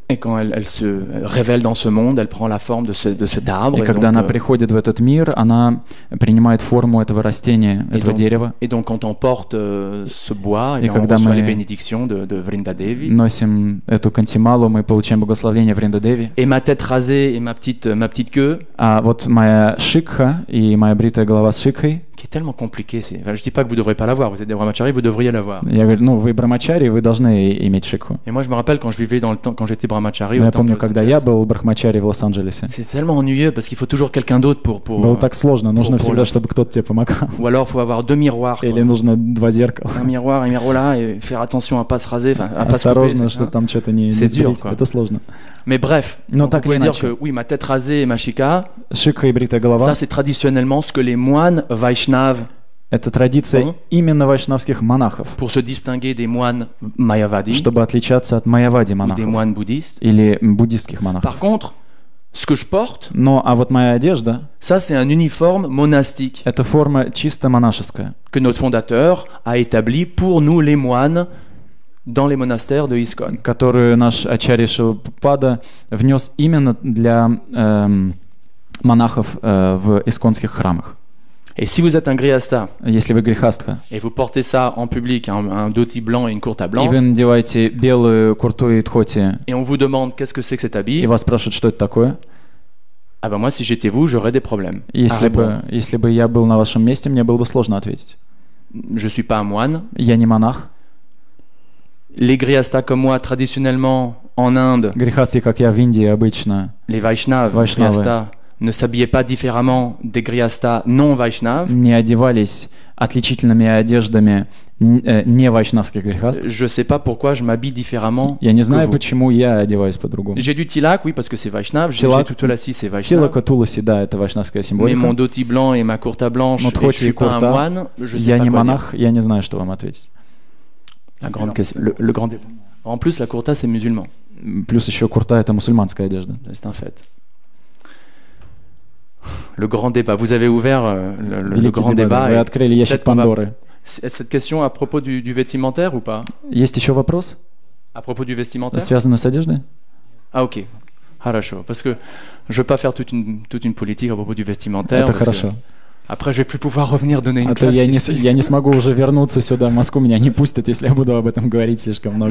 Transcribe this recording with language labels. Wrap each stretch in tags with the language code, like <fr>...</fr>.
<fr>Et quand elle se révèle dans ce monde, elle prend la forme de cet arbre. Et</fr> <ru>когда она приходит в этот мир, она принимает форму этого растения, этого дерева.</ru> <fr>Et donc quand on porte ce bois, et on reçoit les bénédictions de Vrindadevi.</fr> <ru>Носим эту кантималу, мы получаем благословение Вриндадеви.</ru> <fr>Et ma tête rasée et ma petite queue.</fr> <ru>А вот моя шикха и моя бритая голова с шикхой.</ru> <fr>Qui est tellement compliqué. Enfin, je dis pas que vous devrez pas l'avoir. Vous êtes des brahmacharis, vous devriez l'avoir.</fr> <ru>Я говорю, ну вы брахмачари, вы должны иметь шикху.</ru> <fr>Et moi je me rappelle quand je vivais dans le temps, quand j'étais brahmachari.</fr> <ru>Я помню, когда я был брахмачари в Лос-Анджелесе.</ru> <fr>C'est tellement ennuyeux parce qu'il faut toujours quelqu'un d'autre pour.</fr> <ru>Было так сложно. Нужно всегда, чтобы кто-то тебе помогал.</ru> <fr>Ou alors faut avoir deux miroirs.</fr> <ru>Или нужно два зеркала.</ru> <fr>Un miroir, un miroir là, et faire attention à pas se raser, enfin, à pas</fr> <ru>осторожно, что там что-то не.</ru> <fr>C'est dur, quoi.</fr> <ru>Это сложно.</ru> <fr>Mais bref.</fr> <ru>Но так или иначе.</ru> <fr>Dire que oui, ma tête rasée et ma shikha.</fr> <ru>Шикха и бритая голова.</ru> <fr>Ça c'est traditionnellement ce que les moines vaishnavas.</fr> <ru>Это традиция именно вайшнавских монахов,</ru> <fr>pour se distinguer des moines mayavadi,</fr> <ru>чтобы отличаться от майявади монахов,</ru> <fr>ou des moines buddhistes,</fr> <ru>или буддистских монахов.</ru> <fr>Par contre, ce que je porte,</fr> <ru>но а вот моя одежда,</ru> <fr>ça, c'est un uniforme monastique,</fr> <ru>это форма чисто монашеская,</ru> <fr>que notre fondateur a établi pour nous les moines dans les monastères de ISKCON,</fr> <ru>которую наш ачарья Шилапада внес именно для монахов в исконских храмах.</ru> <fr>Et si vous êtes un grihastha,</fr> <ru>если вы грехастха,</ru> <fr>et vous portez ça en public, un dhoti blanc et une kurta blanche,</fr> <ru>и вы надеваете белую курту и дхоти,</ru> <fr>et on vous demande qu'est-ce que c'est que cet habit,</fr> <ru>и вас спрашивают, что это такое,</ru> <fr>ah ben moi, si j'étais vous, j'aurais des problèmes.</fr> <ru>Если бы я был на вашем месте, мне было бы сложно ответить.</ru> <fr>Je suis pas un moine.</fr> <ru>Я не монах.</ru> <fr>Les grihastha comme moi, traditionnellement en Inde,</fr> <ru>грехастхи, как я в Индии обычно,</ru> <fr>les vaishnavas, grihastha, ne s'habillaient pas différemment des grihastha non vaishnav.</fr> <ru>Не одевались отличительными одеждами не вайшнавских грихаст.</ru> <fr>Je sais pas pourquoi je m'habille différemment.</fr> <ru>Я не знаю, почему я одеваюсь по-другому.</ru> <fr>J'ai du tilak, oui, parce que c'est vaishnav. J'ai du tulasi, c'est vaishnav.</fr> <ru>Тилака туласи, да, это вайшнавская символика.</ru> <fr>Mais mon dhoti blanc et ma kurta blanche, je suis pas un moine. Je sais pas</fr> <ru>Я не монах, я не знаю, что вам ответить.</ru> <fr>La grande question. Le grand. En plus, la kurta c'est musulman. Plus</fr> <ru>еще курта это мусульманская одежда.</ru> <fr>C'est un fait. Le grand débat. Vous avez ouvert le grand débat. Vous avez</fr> <ru>открыли ящик</ru> <fr>Peut-être</fr> <ru>Пандоры.</ru> <fr>Cette question à propos du vestimentaire ou pas?</fr> <ru>Есть еще вопрос?</ru> <fr>À propos du vestimentaire?</fr> <ru>Связано с одеждой?</ru> <fr>Ah ok.</fr> <ru>Хорошо.</ru> <fr>Parce que je veux pas faire toute une politique à propos du vestimentaire.</fr> <ru>Это хорошо.</ru> <fr>Après je vais plus pouvoir revenir donner une classe.</fr> <ru>Я не смогу уже вернуться сюда в Москву. Меня не пустят, если я буду об этом говорить слишком много.</ru>